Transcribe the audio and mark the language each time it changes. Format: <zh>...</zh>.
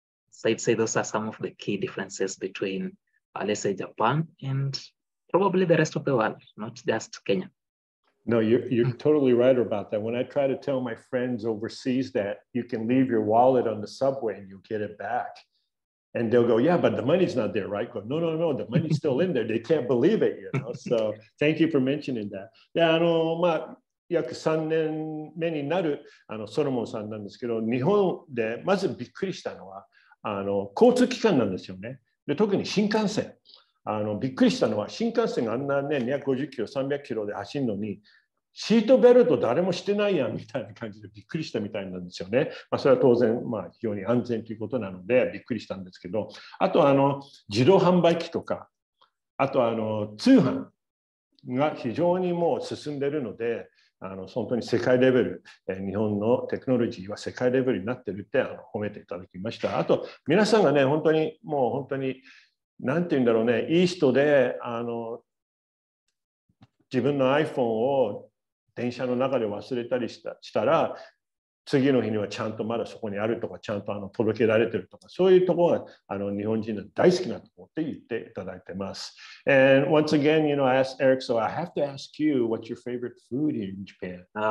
<en>So I'd say those are some of the key differences between, let's say, Japan and probably the rest of the world, not just Kenya. No, you're totally right about that. When I try to tell my friends overseas that you can leave your wallet on the subway and you'll get it back, and they'll go, yeah, but the money's not there, right? Go, no, no, no, the money's still in there. They can't believe it, you know? So thank you for mentioning that.</en> <ja>Yeah, あの、まあ、約3年目になるあのソロモンさんなんですけど、日本でまずびっくりしたのは、あの、交通機関なんですよね。で、特に新幹線。あのびっくりしたのは新幹線があんなね250キロ300キロで走るのにシートベルト誰もしてないやんみたいな感じでびっくりしたみたいなんですよね。まあ、それは当然、まあ、非常に安全ということなのでびっくりしたんですけど、あとあの自動販売機とか、あとあの通販が非常にもう進んでるので、あの本当に世界レベル、日本のテクノロジーは世界レベルになってるって、あの褒めていただきました。あと皆さんがね本当にもう本当になんて言うんだろうね、いい人で、あの自分の iPhone を電車の中で忘れたりしたら、次の日にはちゃんとまだそこにあるとか、ちゃんと届けられてるとか、そういうところが日本人の大好きなところって言っていただいてます。</ja> <en>And once again, you know, I asked Eric, so I have to ask you, what's your favorite food in Japan?</en>